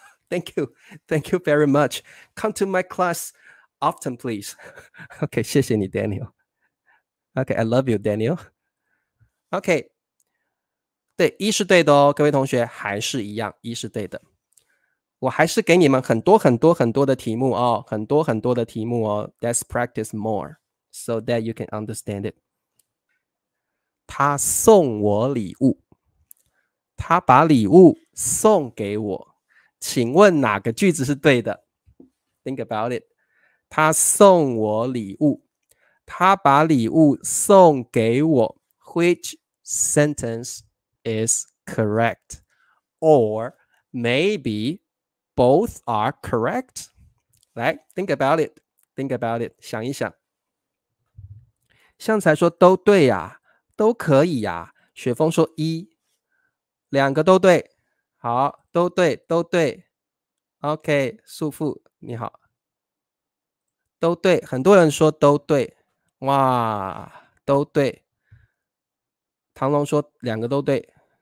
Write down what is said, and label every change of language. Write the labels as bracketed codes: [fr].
[en] Daniel，Thank you very much，Come to my class often please，OK、okay, [zh] 谢谢你 [en] Daniel。 Okay, I love you, Daniel. [zh] Okay, 对，一是对的哦，各位同学还是一样，一是对的。我还是给你们很多很多很多的题目哦，很多很多的题目哦。 [en] Let's practice more so that you can understand it. [zh] 他送我礼物，他把礼物送给我。请问哪个句子是对的 ？ [en] Think about it. [zh] 他送我礼物。他把礼物送给我 ， [en] Which sentence is correct? Or maybe both are correct? 来 ，think about it, think about it, [zh] 想一想。向才说都对呀、啊，都可以呀、啊。雪峰说一，两个都对，好，都对，都对。 OK， 素富你好，都对，很多人说都对。哇，都对。唐龙说两个都对。